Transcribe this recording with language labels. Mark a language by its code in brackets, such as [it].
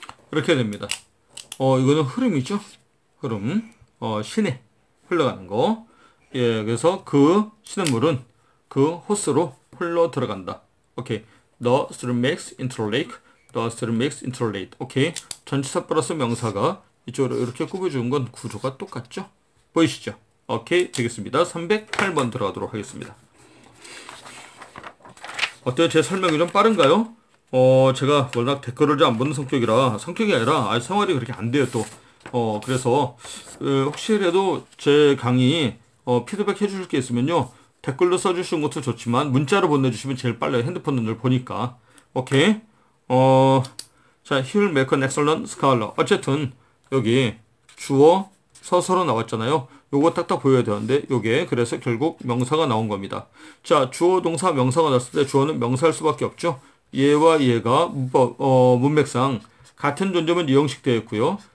[ko] 이렇게 됩니다. 이거는 흐름이죠? 흐름. 시내. 흘러가는 거. 예, 그래서 그 시냇물은 그 호수로 흘러 들어간다. 오케이. [en] The stream makes into the lake. The stream makes into the lake. [ko] 오케이. 전치사 플러스 명사가 이쪽으로 이렇게 꾸며준 건 구조가 똑같죠? 보이시죠? 오케이. 되겠습니다. 308번 들어가도록 하겠습니다. 어때요? 제 설명이 좀 빠른가요? 제가 워낙 댓글을 잘안 보는 성격이라, 성격이 아니라, 아니, 생활이 그렇게 안 돼요, 또. 그래서, 혹시라도 제 강의, 피드백 해주실 게 있으면요. 댓글로 써주시는 것도 좋지만, 문자로 보내주시면 제일 빨라요, 핸드폰을 보니까. 오케이. [en] 자, he'll make an excellent scholar. [ko] 어쨌든, 여기, 주어, 서서로 나왔잖아요. 요거 딱딱 보여야 되는데, 요게, 그래서 결국 명사가 나온 겁니다. 자, 주어, 동사, 명사가 나왔을 때, 주어는 명사일 수밖에 없죠. 예와 예가 문맥상 같은 존재면 이형식 되겠고요.